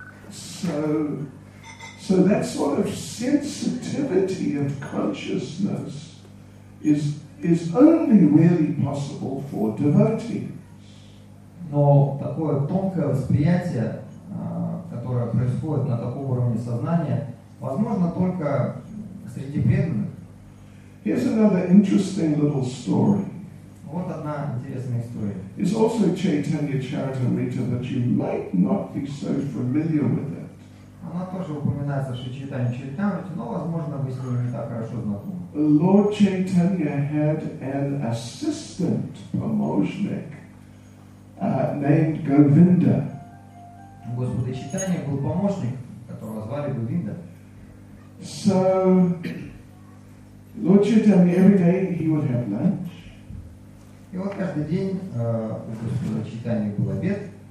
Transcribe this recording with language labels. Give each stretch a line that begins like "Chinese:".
English: So that sort of sensitivity of consciousness is only really possible for devotees.
Russian: Но такое тонкое восприятие, которое происходит на таком уровне сознания, возможно только среди преданных.
English: Here's another interesting little story.
Russian: Вот одна интересная история.
English: It's also Chaitanya Charitamrita, but you might not be so familiar with it.
Russian: Она тоже упоминается в Шри Чайтанья Чаритамрите, но, возможно, вы с ним не так хорошо знакомы.
English: Lord Chaitanya had an assistant
Russian: помощник
English: named Govinda.
Russian: У Господа Чайтанья был помощник, которого звали Говинда.
English: So, Lord Chaitanya, every day he would have lunch.
Russian: И вот каждый день у Господа Чайтанья был обед.